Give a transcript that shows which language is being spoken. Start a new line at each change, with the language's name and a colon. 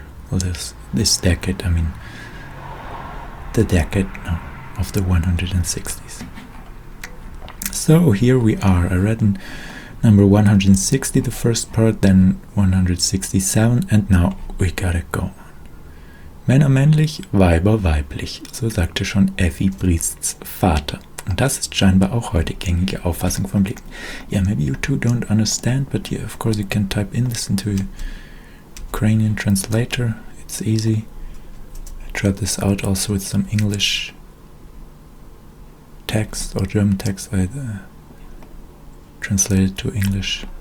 English: Well, this decade, I mean, the decade now of the 160s. So here we are. I read in number 160, the first part, then 167, and now we gotta go.
German: Männer männlich, Weiber weiblich, so sagte schon Effie Briests Vater. Und das ist scheinbar auch heute gängige Auffassung von Blicken.
English: Yeah, maybe you two don't understand, but yeah, of course you can type in this into Ukrainian translator. It's easy. I tried this out also with some English text or German text. I translated to English.